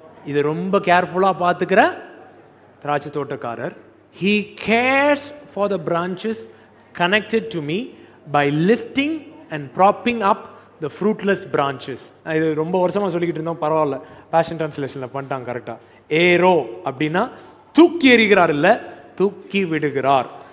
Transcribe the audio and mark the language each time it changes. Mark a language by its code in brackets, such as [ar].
[ta] இது ரொம்ப கேர்ஃபுல்லா பாத்துக்கிற திராட்சை தோட்டக்காரர். [en] He cares for the branches connected to me by lifting and propping up the fruitless branches. [ta] இது ரொம்ப வருஷமா சொல்லிக்கிட்டு இருந்தோம், பரவாயில்ல, பேஷன் டிரான்ஸ்லேஷன்ல பண்ணிட்டாங்க கரெக்டா. ஏரோ அப்படின்னா தூக்கி எறிகிறார், இல்ல தூக்கி விடுகிறார்.